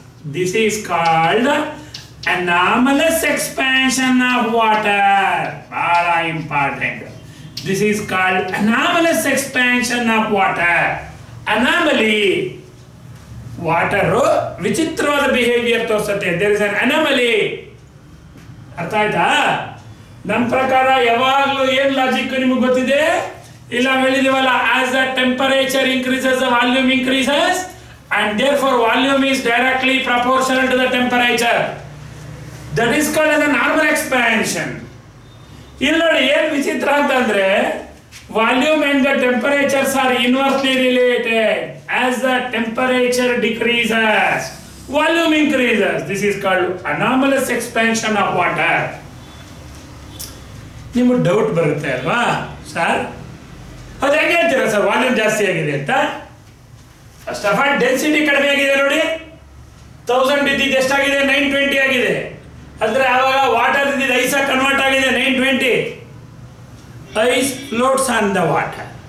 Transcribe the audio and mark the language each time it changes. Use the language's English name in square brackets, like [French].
[English] This is called anomalous expansion of water. Very important. This is called anomalous expansion of water. Anomaly. [Kannada] Water ವಿಚಿತ್ರವಾದ behaviour ತೋರಿಸುತ್ತೆ. [English] There is an anomaly. [Kannada] ಅರ್ಥ ಆಯ್ತಾ? ನಮ್ಮ ಪ್ರಕಾರ ಯಾವಾಗಲೂ ಏನ್ ಲಾಜಿಕ್ ನಿಮಗೆ ಗೊತ್ತಿದೆ, ಇಲ್ಲ ಹೇಳಿದೀವಲ್ಲ, [English] As the temperature increases volume increases, and therefore volume is directly proportional to the temperature. That is called as a normal expansion. [Kannada] ಇಲ್ನೋಡಿ ಏನ್ ವಿಚಿತ್ರ ಅಂತಂದ್ರೆ, [English] volume and the temperatures are inversely related. As the temperature decreases, volume increases. This is called anomalous expansion of water. [Kannada] ನಿಮ್ಗೆ doubt ಬರುತ್ತೆ ಅಲ್ವಾ sir, ಅದು ಹೆಂಗೆ ಹೇಳ್ತೀರಾ sir volume ಜಾಸ್ತಿ ಆಗಿದೆ ಅಂತ? [English] first of all [Kannada] ಡೆನ್ಸಿಟಿ ಕಡಿಮೆ ಆಗಿದೆ ನೋಡಿ, 1000 ಇದ್ದಿದ್ದು ಎಷ್ಟಾಗಿದೆ, 920 ಆಗಿದೆ. ಅಂದ್ರೆ ಅವಾಗ ವಾಟರ್ ಇದ್ದಿದ್ದು ಐಸ್ ಆಗಿ ಕನ್ವರ್ಟ್ ಆಗಿದೆ, 920 [English] Ice floats on the water.